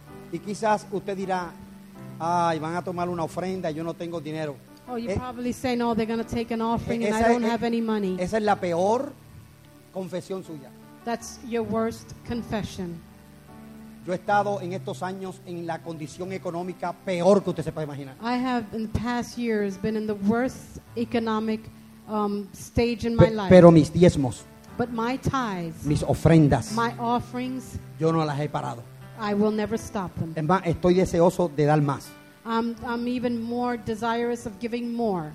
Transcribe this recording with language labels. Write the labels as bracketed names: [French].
[Spanish] Y quizás usted dirá, ay, van a tomar una ofrenda y yo no tengo dinero. [English] Oh, you probably say, no, they're going to take an offering and I don't have any money. [Spanish] Esa es la peor confesión suya. [English] That's your worst confession. [Spanish] Yo he estado en estos años en la condición económica peor que usted se puede imaginar. [English] I have in the past years been in the worst economic stage in my life. [Spanish] Pero mis diezmos, [English] but my tithes, [Spanish] mis ofrendas, [English] my offerings, [Spanish] yo no las he parado. [English] I will never stop them. [Spanish] En más, estoy deseoso de dar más. [English] I'm even more desirous of giving more.